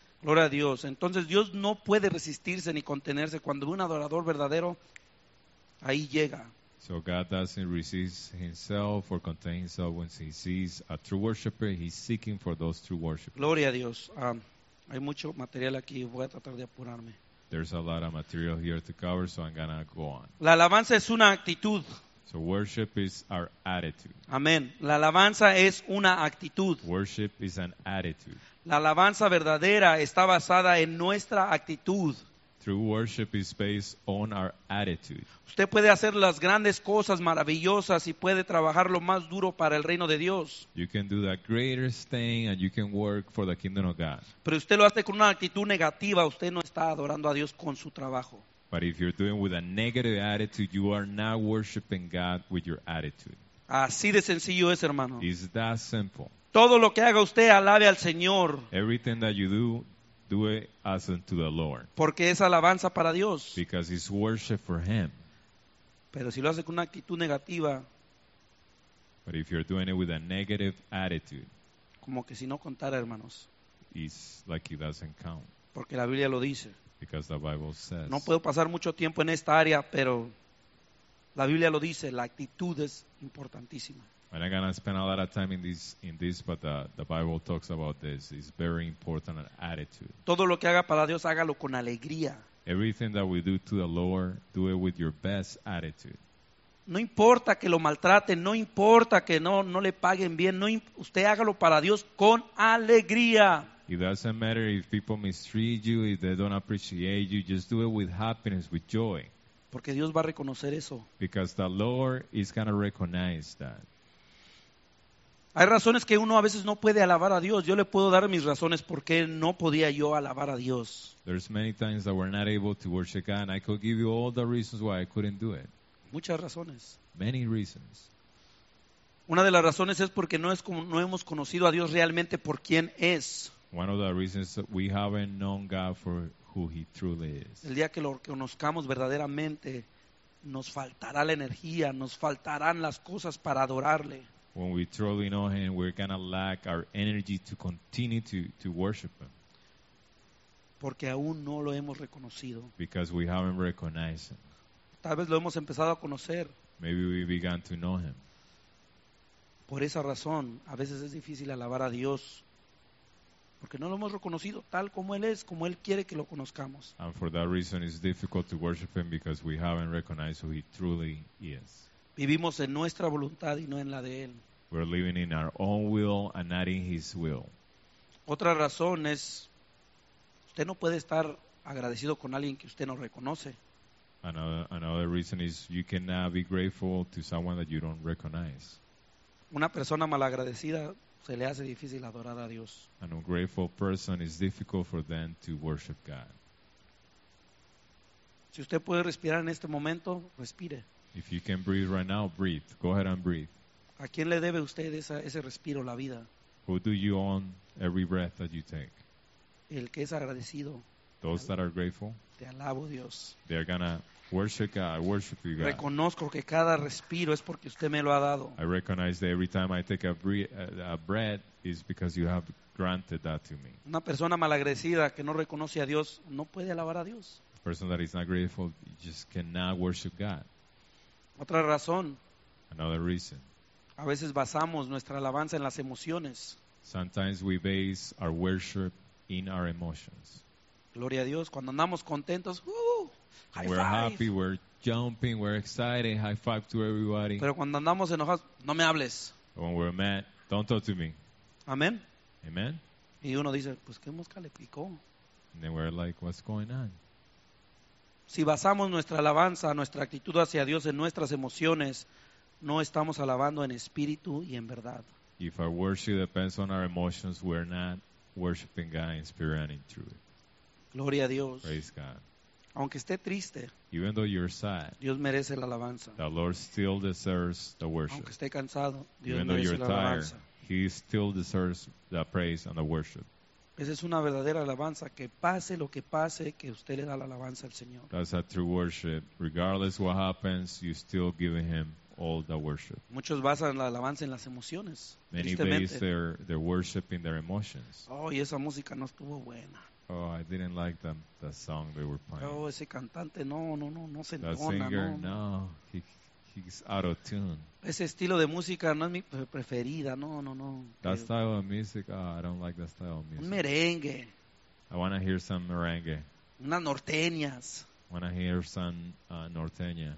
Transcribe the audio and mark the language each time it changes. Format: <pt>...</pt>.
<es>Gloria a Dios. Entonces Dios no puede resistirse ni contenerse cuando un adorador verdadero ahí llega.</es> <en>So God doesn't resist himself or contain himself when he sees a true worshiper. He's seeking for those true worshipers.</en> <es>Gloria a Dios. Hay mucho material aquí. Voy a tratar de apurarme.</es> <en>There's a lot of material here to cover, so I'm going to go on.</en> <es>La alabanza es una actitud.</es> <en>So worship is our attitude.</en> <es>Amén. La alabanza es una actitud.</es> <en>Worship is an attitude.</en> <es>La alabanza verdadera está basada en nuestra actitud.</es> <en>True worship is based on our attitude.</en> <es>Usted puede hacer las grandes cosas maravillosas y puede trabajar lo más duro para el reino de Dios.</es> <en>You can do the greatest thing and you can work for the kingdom of God.</en> <es>Pero usted lo hace con una actitud negativa, usted no está adorando a Dios con su trabajo.</es> <en>But if you're doing with a negative attitude, you are not worshiping God with your attitude.</en> <es>Así de sencillo es, hermano.</es> <en>It's that simple.</en> <es>Todo lo que haga usted, alabe al Señor.</es> <en>Everything that you do, do it as unto the Lord.</en> <es>Porque es alabanza para Dios.</es> <en>Because it's worship for him.</en> <es>Pero si lo hace con una actitud negativa.</es> <en>But if you're doing it with a negative attitude.</en> <es>Como que si no contara, hermanos.</es> <en>It's like it doesn't count.</en> <es>Porque la Biblia lo dice.</es> <en>Because the Bible says.</en> <es>No puedo pasar mucho tiempo en esta área, pero la Biblia lo dice. La actitud es importantísima.</es> <en>And I'm gonna spend a lot of time in this, but the Bible talks about this. It's very important, an attitude.</en> <es>Todo lo que haga para Dios, hágalo con alegría.</es> <en>Everything that we do to the Lord, do it with your best attitude.</en> <es>No importa que lo maltraten, no importa que no le paguen bien, usted hágalo para Dios con alegría.</es> <en>It doesn't matter if people mistreat you, if they don't appreciate you, just do it with happiness, with joy.</en> <es>Porque Dios va a reconocer eso.</es> <en>Because the Lord is gonna recognize that.</en> <es>Hay razones que uno a veces no puede alabar a Dios. Yo le puedo dar mis razones por qué no podía yo alabar a Dios.</es> <en>There's many times that we're not able to worship God, and I could give you all the reasons why I couldn't do it.</en> <es>Muchas razones.</es> <en>Many reasons.</en> <es>Una de las razones es porque no hemos conocido a Dios realmente por quién es.</es> <en>One of the reasons we haven't known God for who he truly is.</en> <es>El día que lo conozcamos verdaderamente, nos faltará la energía, nos faltarán las cosas para adorarle.</es> <en>When we truly know him, we're going to lack our energy to continue to worship him.</en> <es>Porque aún no lo hemos reconocido.</es> <en>Because we haven't recognized him.</en> <es>Tal vez lo hemos empezado a conocer.</es> <en>Maybe we began to know him.</en> <es>Por esa razón, a veces es difícil alabar a Dios. Porque no lo hemos reconocido tal como Él es, como Él quiere que lo conozcamos.</es> <en>And for that reason, it's difficult to worship Him because we haven't recognized who He truly is.</en> <es>Vivimos en nuestra voluntad y no en la de Él.</es> <en>We're living in our own will and not in His will.</en> <es>Otra razón es, usted no puede estar agradecido con alguien que usted no reconoce.</es> <en>Another reason is you cannot be grateful to someone that you don't recognize.</en> <es>Una persona malagradecida se le hace difícil adorar a Dios.</es> <en>An ungrateful person is difficult for them to worship God.</en> <es>Si usted puede respirar en este momento, respire.</es> <en>If you can breathe right now, breathe. Go ahead and breathe.</en> <es>¿A quién le debe usted ese respiro, la vida?</es> <en>Who do you own every breath that you take?</en> <es>El que es agradecido.</es> <en>Those that are grateful.</en> <es>Te alabo, Dios.</es> <en>They are gonna worship God. I worship you, God.</en> <es>Reconozco que cada respiro es porque usted me lo ha dado.</es> <en>I recognize that every time I take a breath is because you have granted that to me.</en> <es>Una persona malagradecida que no reconoce a Dios no puede alabar a Dios.</es> <en>A person that is not grateful just cannot worship God.</en> <es>Otra razón.</es> <en>Another reason.</en> <es>A veces basamos nuestra alabanza en las emociones.</es> <en>Sometimes we base our worship in our emotions.</en> <es>Gloria a Dios, cuando andamos contentos,</es> <en>high we're five. Happy, we're jumping, we're excited, high five to everybody.</en> <es>Pero cuando andamos enojados, no me hables.</es> <en>When we're mad, don't talk to me. Amen. Amen.</en> <es>Y uno dice, pues qué mosca le picó.</es> <en>And then we're like, what's going on?</en> <es>Si basamos nuestra alabanza, nuestra actitud hacia Dios en nuestras emociones, no estamos alabando en espíritu y en verdad.</es> <en>If our worship depends on our emotions, we're not worshiping God in spirit and in truth.</en> <es>Gloria a Dios.</es> <en>Praise God.</en> <es>Aunque esté triste,</es> <en>even though you're sad,</en> <es>Dios merece la alabanza.</es> <en>The Lord still deserves the worship.</en> <es>Aunque esté cansado, Dios</es> <en>even though you're</en> <es>la</es> <en>tired,</en> <es>alabanza.</es> <en>He still deserves the praise and the worship.</en> <es>Esa es una verdadera alabanza, que pase lo que pase, que usted le da la alabanza al Señor.</es> <en>That's a true worship. Regardless what happens, you're still giving Him all the worship.</en> <es>Muchos basan la alabanza en las emociones.</es> <en>Many base their worship in their emotions.</en> <es>Oh, y esa música no estuvo buena.</es> <en>Oh, I didn't like the song they were playing.</en> <es>Oh, ese cantante, no se</es> <en>that</en> <es>entona,</es> <en>singer,</en> <es>no.</es> <en>No, he's out of tune.</en> <es>Ese estilo de música no es mi preferida, no.</es> <en>That style of music, oh, I don't like that style of music.</en> <es>Un merengue.</es> <en>I want to hear some merengue.</en> <es>Unas norteñas.</es> <en>I want to hear some norteña.</en>